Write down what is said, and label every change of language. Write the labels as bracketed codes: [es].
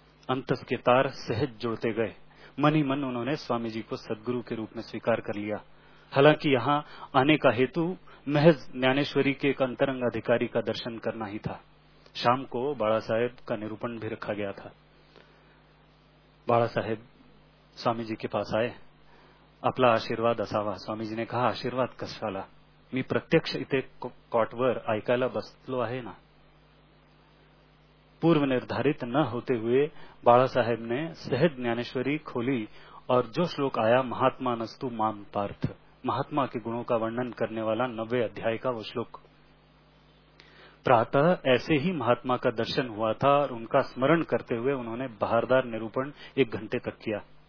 [hi] अंतस के तार सहज जुड़ते गए। मन ही मन उन्होंने स्वामी जी को सदगुरु के रूप में स्वीकार कर लिया। हालांकि यहां आने का हेतु महज ज्ञानेश्वरी के एक अंतरंग अधिकारी का दर्शन करना ही था। शाम को बाला साहेब का निरूपण भी रखा गया था। बाला साहेब स्वामी जी के पास आए, [mr] अपना आशीर्वाद असावा। [hi] स्वामी जी ने कहा [mr] आशीर्वाद कशाला, मी प्रत्यक्ष इथे कॉटवर ऐकायला बसलो आहे ना। [hi] पूर्व निर्धारित न होते हुए बाळासाहेब ने सहज ज्ञानेश्वरी खोली और जो श्लोक आया [sa] महात्मा नस्तु माम पार्थ, [hi] महात्मा के गुणों का वर्णन करने वाला 90 अध्याय का वो श्लोक। प्रातः ऐसे ही महात्मा का दर्शन हुआ था और उनका स्मरण करते हुए उन्होंने बाहरदार निरूपण एक घंटे तक किया।